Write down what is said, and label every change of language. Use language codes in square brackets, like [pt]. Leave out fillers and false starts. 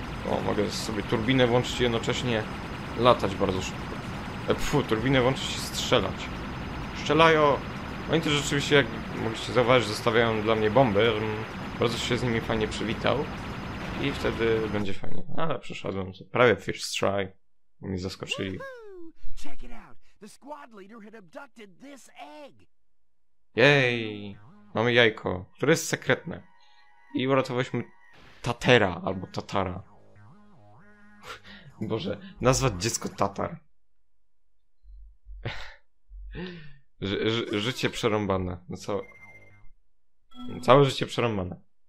[pl] O, mogę sobie turbinę włączyć i jednocześnie latać bardzo szybko. Turbinę włączyć i strzelać. Strzelają. Oni też rzeczywiście, jak mogliście zauważyć, zostawiają dla mnie bomby. Bardzo się z nimi fajnie przywitał. I wtedy będzie fajnie. Ale przeszedłem to prawie [en] first try. [pl] Mi zaskoczyli. [en] Check it out. The squad leader had abducted this egg. [pl] Jej! Mamy jajko, które jest sekretne. I uratowaliśmy Tatera albo Tatara. Boże, nazwać dziecko Tatar. Życie przerąbane. No co? Całe życie przerąbane.